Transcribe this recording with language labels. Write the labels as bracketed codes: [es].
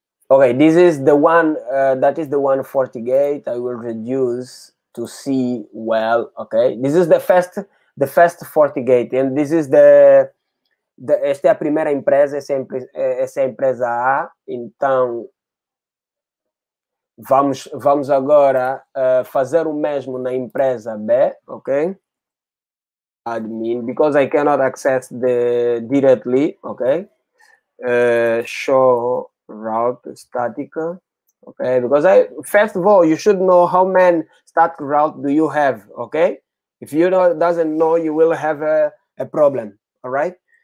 [en] Okay, this is the one, that is the one FortiGate. I will reduce to see well, okay? This is the first FortiGate, and this is the [pt] esta é a primeira empresa, essa é a empresa A, então vamos agora fazer o mesmo na empresa B, ok? [en] Admin, because I cannot access the directly, ok? Show route statica, ok? Because I, first of all, you should know how many static routes do you have, ok? If you don't, doesn't know, you will have a problem, all right?